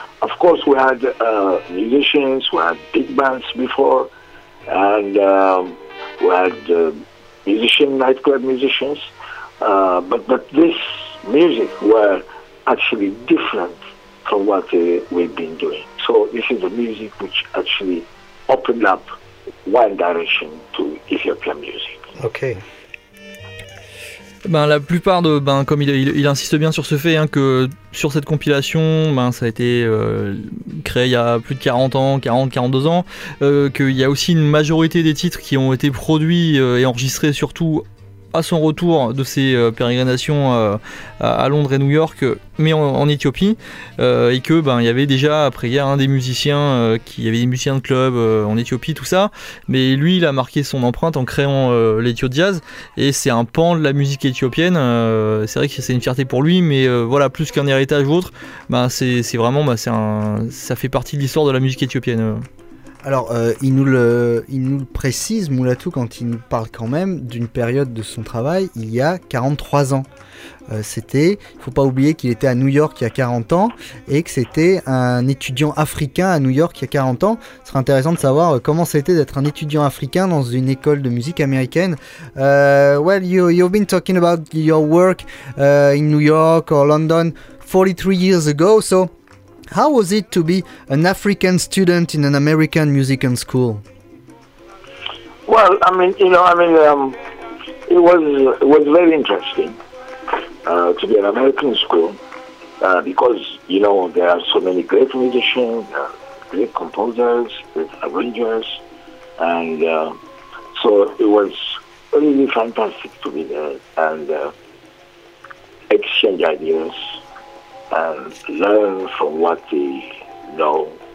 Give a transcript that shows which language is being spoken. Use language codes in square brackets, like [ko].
[en] Of course, we had musicians, we had big bands before, and we had nightclub musicians, but this music were actually different from what we've been doing. So this is the music which actually opened up one direction to Ethiopian music. Okay. [fr] La plupart de, comme il insiste bien sur ce fait, que sur cette compilation, ça a été créé il y a plus de 40 ans, 40, 42 ans, qu'il y a aussi une majorité des titres qui ont été produits et enregistrés surtout à son retour de ses pérégrinations à Londres et New York, mais en Éthiopie, et que il y avait déjà après-guerre des musiciens, qui avait des musiciens de club en Éthiopie, tout ça. Mais lui, il a marqué son empreinte en créant l'Ethio Jazz, et c'est un pan de la musique éthiopienne. C'est vrai que c'est une fierté pour lui, mais plus qu'un héritage ou autre, ça fait partie de l'histoire de la musique éthiopienne. Alors, il nous le précise, Mulatu, quand il nous parle quand même d'une période de son travail, il y a 43 ans. C'était, il ne faut pas oublier qu'il était à New York il y a 40 ans, et que c'était un étudiant africain à New York il y a 40 ans. Ce serait intéressant de savoir comment c'était d'être un étudiant africain dans une école de musique américaine. [en] You've been talking about your work in New York or London 43 years ago, so... How was it to be an African student in an American music and school? Well, it was very interesting to be an American school because, you know, there are so many great musicians, great composers, great arrangers, and so it was really fantastic to be there and exchange ideas and learn from what they know.